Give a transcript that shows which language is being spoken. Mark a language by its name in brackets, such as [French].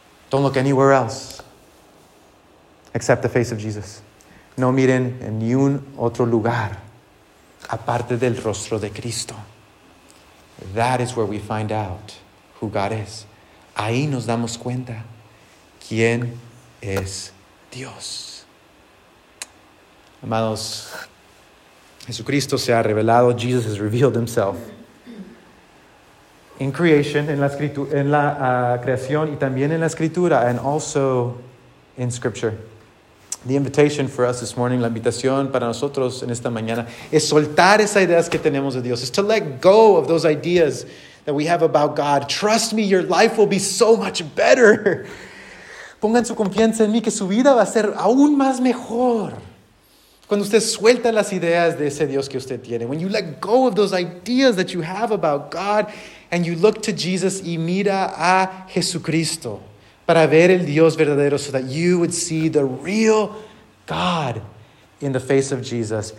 [English] Don't look anywhere else except the face of Jesus. [Spanish] No miren en ni un otro lugar aparte del rostro de Cristo. [English] That is where we find out who God is. [Spanish] Ahí nos damos cuenta quién es Dios. Amados, Jesucristo se ha revelado. [English] Jesus has revealed himself. In creation, [Spanish] en la creación y también en la escritura, [English] and also in scripture. The invitation for us this morning, [Spanish] la invitación para nosotros en esta mañana, es soltar esas ideas que tenemos de Dios. [English] Is to let go of those ideas that we have about God. Trust me, your life will be so much better. [Spanish] Pongan su confianza en mí, que su vida va a ser aún más mejor. Cuando usted suelta las ideas de ese Dios que usted tiene, [English] when you let go of those ideas that you have about God, and you look to Jesus [Spanish] y mira a Jesucristo, para ver el Dios verdadero, [English] so that you would see the real God in the face of Jesus.